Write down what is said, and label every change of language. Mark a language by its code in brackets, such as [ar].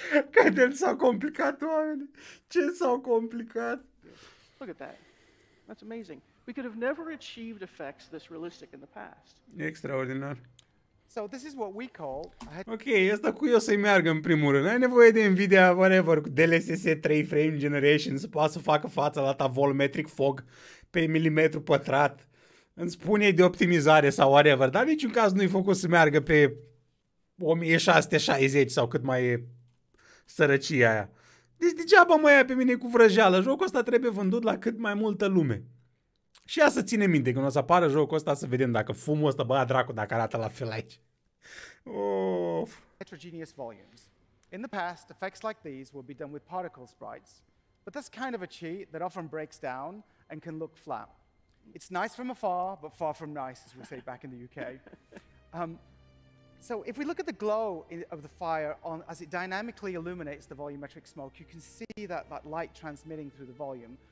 [ro] Cate s-au complicat oamenii. Ce s-au complicat? [en] Look at that. That's amazing. We could have never achieved effects this realistic in the past. [ro] Extraordinar. [en] So this is what we call... [ro] Ok, asta cu eu să-i meargă în primul rând. N-ai nevoie de Nvidia, whatever, cu DLSS 3 frame generation să poată să facă față la ta volumetric fog pe milimetru pătrat. Îmi spune de optimizare sau whatever, dar niciun caz nu-i făcut să meargă pe 1660 sau cât mai e sărăcia aia. Deci degeaba mă ia pe mine cu vrăjeală. Jocul ăsta trebuie vândut la cât mai multă lume. Și ia să ține minte, când o să apară jocul ăsta, să vedem dacă fumul ăsta, bă, dracu, dacă arată la fel aici. [en] Oh. Heterogeneous volumes. In the past, effects like these would be done with particle sprites. But that's kind of a cheat that often breaks down and can look flat. It's nice from afar, but far from nice, as we say back in the UK. So if we look at the glow of the fire on as it dynamically illuminates the volumetric smoke, you can see that light transmitting through the volume.